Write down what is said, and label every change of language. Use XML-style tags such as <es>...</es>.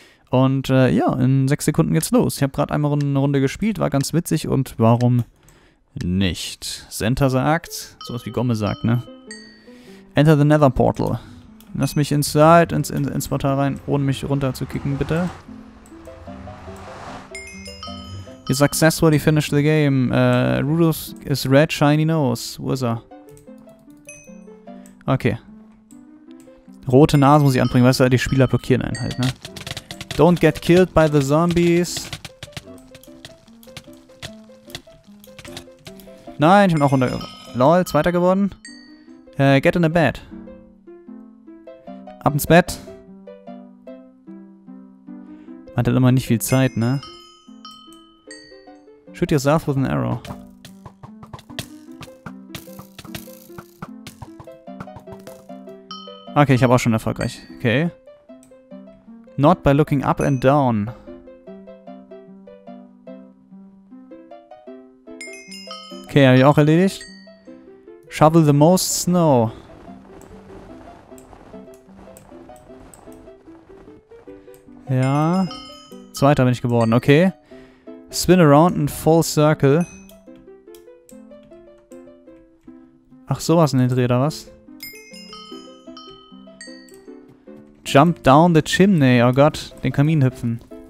<de>Und ja, in 6 Sekunden geht's los. Ich habe gerade einmal eine Runde gespielt, war ganz witzig. Und warum nicht? Santa sagt, sowas wie Gomme sagt, ne?</de> <en>Enter the Nether Portal.</en> <de>Lass mich inside, ins Portal rein, ohne mich runterzukicken, bitte.</de> <en>You successfully finished the game. Rudolph is red, shiny nose.</en> <de>Wo ist er? Okay. Rote Nase muss ich anbringen, weißt du, die Spieler blockieren einen halt, ne?</de> <en>Don't get killed by the zombies.</en> <de>Nein, ich bin auch runter. Lol, zweiter geworden.</de> <en>Get in the bed.</en> <de>Ab ins Bett. Man hat immer nicht viel Zeit, ne?</de> <en>Shoot yourself with an arrow.</en> <de>Okay, ich habe auch schon erfolgreich. Okay.</de> <en>Not by looking up and down.</en> <de>Okay, habe ich auch erledigt.</de> <en>Shovel the most snow.</en> <de>Ja. Zweiter bin ich geworden, okay.</de> <en>Spin around in full circle.</en> <de>Ach, sowas in den Dreh, oder was?</de> <en>Jump down the chimney.</en> <de>Oh Gott, den Kamin hüpfen.</de>